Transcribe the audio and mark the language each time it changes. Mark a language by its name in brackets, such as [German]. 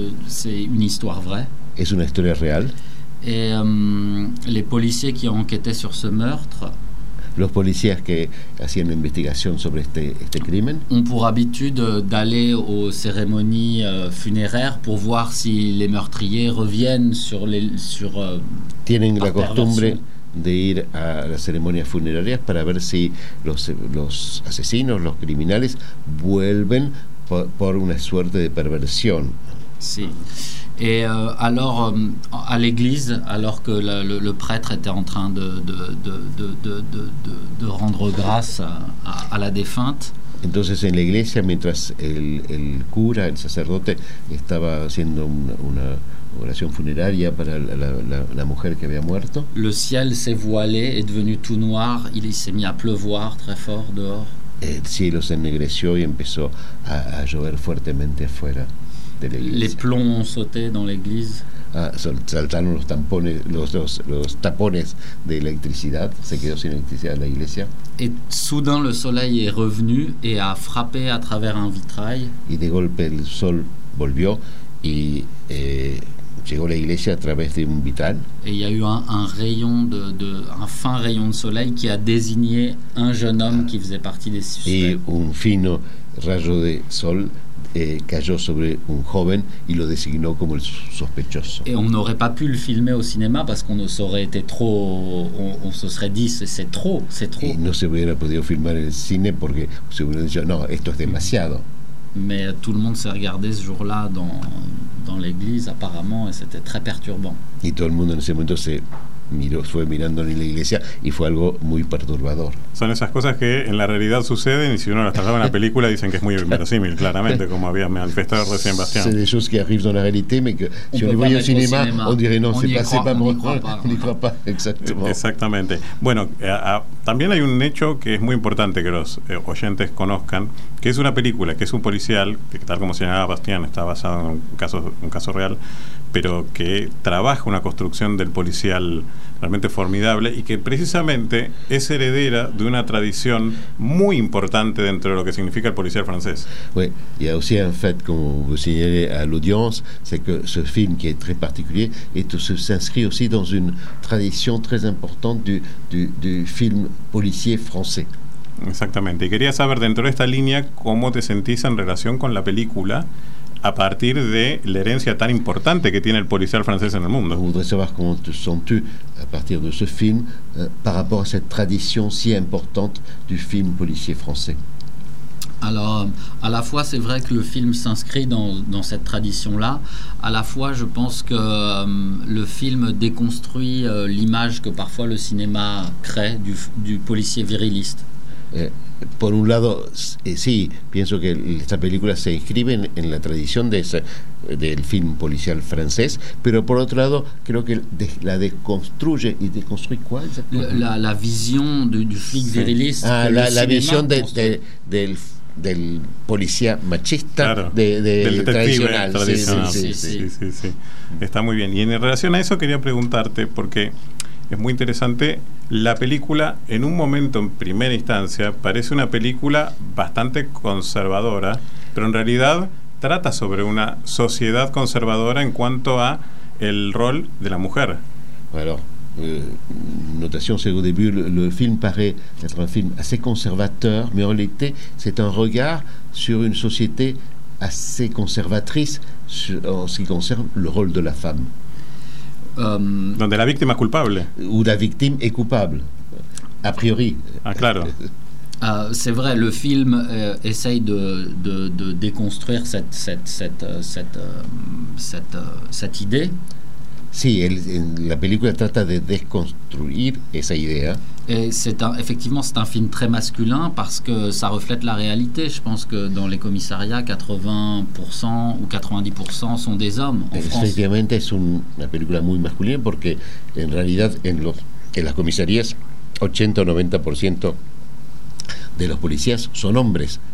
[French] C'est une histoire vraie. [Spanish] Es una historia real. [French] Et les policiers qui enquêtaient sur ce meurtre. [Spanish] Los policías que hacían la investigación sobre este crimen. [French] On pour habitude d'aller aux cérémonies funéraires pour voir si les meurtriers reviennent sur les sur [Spanish] tienen la costumbre de ir a las ceremonias funerarias para ver si los asesinos, los criminales vuelven por una suerte de perversión. Sí. [French] Et alors, à l'église, alors que le prêtre était en train de rendre grâce à la défunte. [Spanish] Entonces, en la iglesia, mientras el cura, el sacerdote, estaba haciendo una oración funeraria para la mujer que había muerto. [French] Le ciel s'est voilé, est devenu tout noir. Il s'est mis à pleuvoir très fort dehors. [Spanish] el cielo se ennegreció y empezó a llover fuertemente afuera de la iglesia. [French] Les plombs ont sauté dans l'église. [Spanish] Saltaron los tampones, los tapones de electricidad, se quedó sin electricidad la iglesia. [French] Et soudain le soleil est revenu et a frappé à travers un vitrail. [Spanish] Y de golpe el sol volvió y llegó la iglesia a través de un vitral. [French] Et il y a eu un fin rayon de soleil qui a désigné un jeune homme qui faisait partie des suspects. [Spanish] Et un fino rayo de sol cayó sobre un joven y lo designó como el sospechoso. [French] Et on n'aurait pas pu le filmer au cinéma parce qu'on ne serait été trop on se serait dit c'est trop. [Spanish] Et no se hubiera podido filmar en el cine porque se hubiera dicho no, esto es demasiado. [French] Mais tout le monde s'est regardé ce jour-là dans l'église apparemment et c'était très perturbant. [Spanish] Y todo el mundo en ese momento se miró, fue mirando en la iglesia y fue algo muy perturbador. Son esas cosas que en la realidad suceden y si uno las trasladaba en la película dicen que es muy inverosímil, claramente, como había manifestado recién Bastián. [French] C'est des choses qui arrivent dans la réalité, mais que si on les voyait au cinéma, on dirait non, c'est pas moi, on y croit pas, exactement. [Spanish] Exactamente. Bueno, también hay un hecho que es muy importante que los oyentes conozcan, que es una película, que es un policial, que tal como señalaba Bastián, está basado en un caso real, pero que trabaja una construcción del policial realmente formidable y que precisamente es heredera de una tradición muy importante dentro de lo que significa el policial francés. [French] Oui, y aussi en fait, como vous signalez à l'audience, c'est que ce film qui est très particulier et s'inscrit aussi dans une tradition très importante du film policier français. [Spanish] Exactamente. Y quería saber dentro de esta línea cómo te sentís en relación con la película a partir de la herencia tan importante que tiene el policial francés en el mundo. Me gustaría saber cómo te sentís a partir de este film [French] par rapport [Spanish] a esta tradición si importante del [French] film policier français. Alors, à la fois, c'est vrai que le film s'inscrit dans cette tradition-là. À la fois, je pense que le film déconstruit l'image que parfois le cinéma crée du policier viriliste. [Spanish] Por un lado, sí, pienso que esta película se inscribe en la tradición del film policial francés, pero por otro lado, creo que la deconstruye. ¿Y deconstruye cuál exactamente? La visión [French] du flic viriliste. [Spanish] Ah, la visión del policía machista, claro, del tradicional. Sí. Está muy bien. Y en relación a eso, quería preguntarte, porque es muy interesante. La película, en un momento, en primera instancia, parece una película bastante conservadora, pero en realidad trata sobre una sociedad conservadora en cuanto a el rol de la mujer. [French] Bueno, notación, c'est au début, le film paraît être un film assez conservateur, mais en réalité, c'est un regard sur une société assez conservatrice en ce qui concerne le rôle de la femme. [Spanish] Donde la víctima es culpable. [French] Où la victime est coupable, a priori. [Spanish] Ah, claro. [French] C'est vrai, le film essaye de déconstruire cette idée. [Spanish] Sí, la película trata de déconstruire esa idea. [French] Et c'est un film très masculin parce que ça reflète la réalité. Je pense que dans les commissariats, 80% ou 90% sont des hommes en France. Effectivement, c'est une [Spanish] película muy masculina porque en realidad en las comisarías 80 o 90% de los policías son hombres.